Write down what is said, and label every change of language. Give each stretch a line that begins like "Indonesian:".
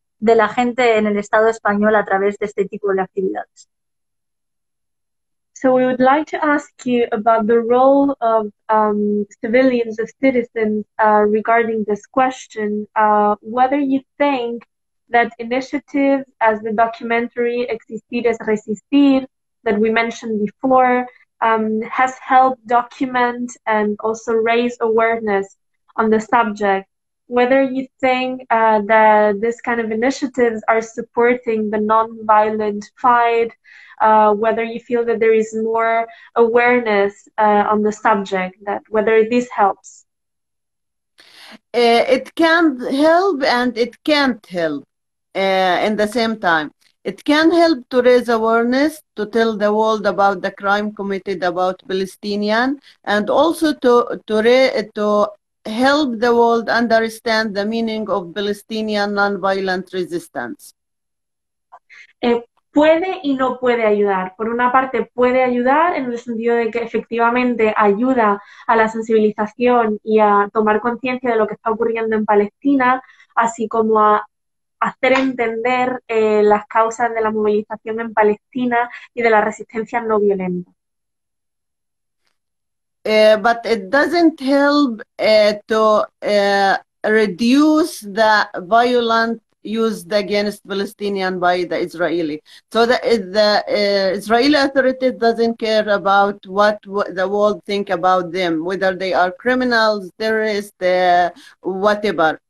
Spanish: de la gente en el Estado español a través de este tipo de actividades.
English: So we would like to ask you about the role of civilians, of citizens, regarding this question, whether you think that initiatives as the documentary Existir es Resistir that we mentioned before has helped document and also raise awareness on the subject, whether you think that this kind of initiatives are supporting the non-violent fight, whether you feel that there is more awareness on the subject, that whether this helps. It can help and it can't help in the same time. It can help to raise awareness, to tell the world about the crime committed about Palestinian, and also to help the world understand the meaning of Palestinian nonviolent resistance.
Spanish: Puede y no puede ayudar. Por una parte, puede ayudar en el sentido de que efectivamente ayuda a la sensibilización y a tomar conciencia de lo que está ocurriendo en Palestina, así como a hacer entender las causas de la movilización en Palestina y de la resistencia no violenta.
English: But it doesn't help to reduce the violent used against Palestinians by the Israeli. So the Israeli authority doesn't care about what the world think about them, whether they are criminals, terrorists, whatever.